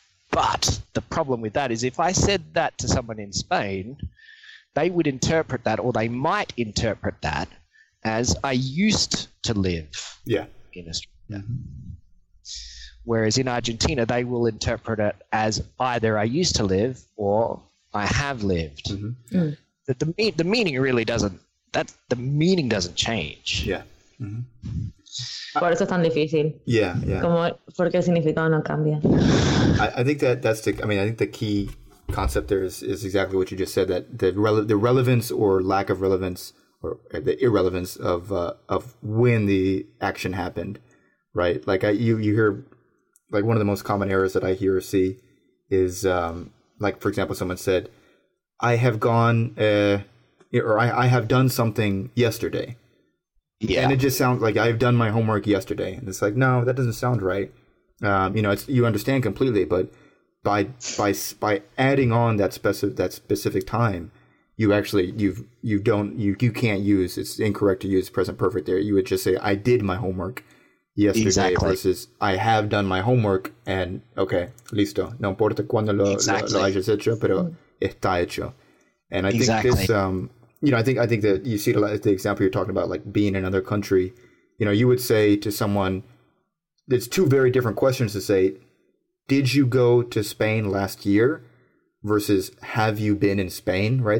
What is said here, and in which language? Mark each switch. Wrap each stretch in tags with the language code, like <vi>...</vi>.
<en>But the problem with that is if I said that to someone in Spain, they would interpret that, or they might interpret that as I used to live in Australia. Yeah. Whereas in Argentina, they will interpret it as either I used to live or I have lived. Mm-hmm. Mm. The meaning really doesn't, that the meaning doesn't change. Yeah.</en> <es>Mm-hmm. Por eso es tan difícil.</es> <en>Yeah, yeah.</en> <es>Como, porque el significado no cambia.</es> <en>I think I think the key concept there is exactly what you just said, that the relevance or lack of relevance, or the irrelevance of when the action happened, right? Like you hear... Like one of the most common errors that I hear or see is, like, for example, someone said, I have gone or I have done something yesterday. Yeah. And it just sounds like I've done my homework yesterday. And it's like, no, that doesn't sound right. You know, it's, you understand completely. But by adding on that specific time, you can't use. It's incorrect to use present perfect there. You would just say, I did my homework yesterday, exactly. Versus I have done my homework and okay, listo.</en> <es>No importa cuando lo hayas hecho, pero está hecho.</es> <en>And I think this, you know, I think that you see it a lot, the example you're talking about, like being in another country. You know, you would say to someone, it's two very different questions to say, did you go to Spain last year versus have you been in Spain, right?</en>